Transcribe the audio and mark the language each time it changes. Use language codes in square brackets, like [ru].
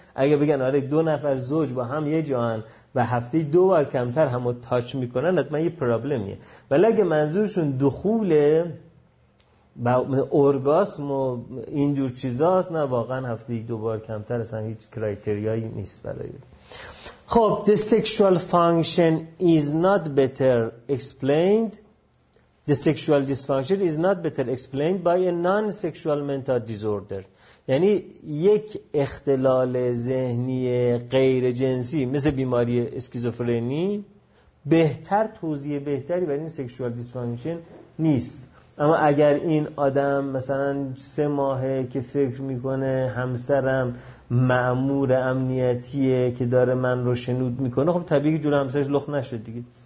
[fa] اگه بگن آره دو نفر زوج با هم یه جان و هفته دو بار کمتر همو تاچ میکنن، حتما یه پرابلمیه. ولی اگه منظورشون دخوله و اورگاسم و اینجور چیزاست، نه واقعا هفته دو بار کمتر اصلا هیچ کرایتریایی نیست برای. [en] خب the sexual function is not better explained. The sexual dysfunction is not better explained by a non-sexual mental disorder. [fa] یعنی یک اختلال ذهنی غیر جنسی مثل بیماری اسکیزوفرنی بهتر توضیح بهتری برای این sexual dysfunction نیست. اما اگر این آدم مثلا 3 ماهه که فکر میکنه همسرم مأمور امنیتیه که داره من رو شنود میکنه، خب طبیعی جور همسرش لخ نشد دیگه.